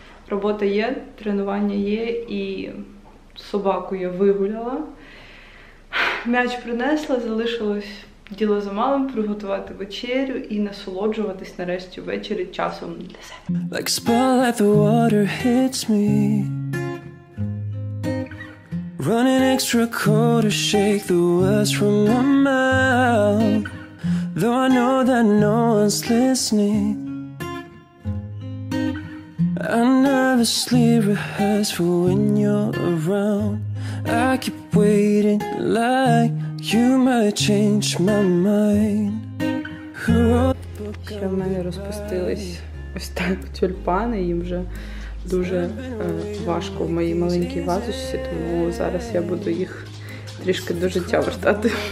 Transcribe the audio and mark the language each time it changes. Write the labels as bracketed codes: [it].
[uk] Робота є, тренування є, і собаку я вигуляла. М'яч принесла, залишилось діло за малим, приготувати вечерю і насолоджуватись нарешті ввечері часом для себе. [en] Like spell at the water hits me. Running extra cold to shake the words from my mouth. Though I know that no one's listening. I nervously rehearse for when you're around. I keep waiting like you might change my mind. [uk] Ще в мене розпустились ось так тюльпани, їм вже дуже важко в моїй маленькій вазочці, тому зараз я буду їх трішки до життя вертати.